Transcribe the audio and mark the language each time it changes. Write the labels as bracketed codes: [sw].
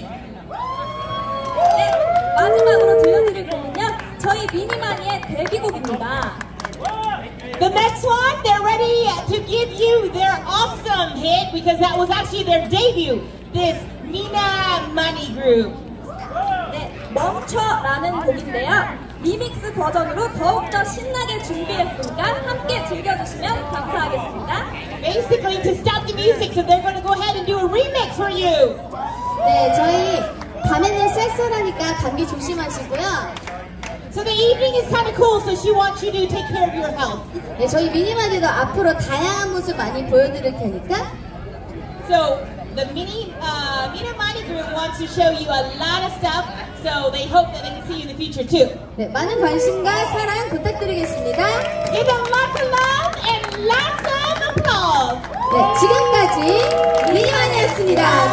[ko] 네, 마지막으로 들려드릴 곡은요, 저희 미니마니의 데뷔곡입니다. [en] The next one, they're ready to give you their awesome hit because that was actually their debut. This Minimani group. [ko] 네, 멈춰라는 곡인데요. 리믹스 버전으로 더욱더 신나게 준비했으니까 함께 즐겨주시면 감사하겠습니다. [en] Basically to stop the music, so they're going to go ahead and do a remix for you. [ko] 네, 저희 밤에는 쌀쌀하니까 감기 조심하시고요. [en] So the evening is kind of cool, so she wants you to take care of your health. [ko] 네, 저희 미니마니도 앞으로 다양한 모습 많이 보여드릴 테니까. [en] So the mini, Minimani group wants to show you a lot of stuff. So they hope that they can see you in the future too. [ko] 네, 많은 관심과 사랑 부탁드리겠습니다. [en] Give them lots of love and lots of applause. [ko] 네, 지금까지 미니마니였습니다.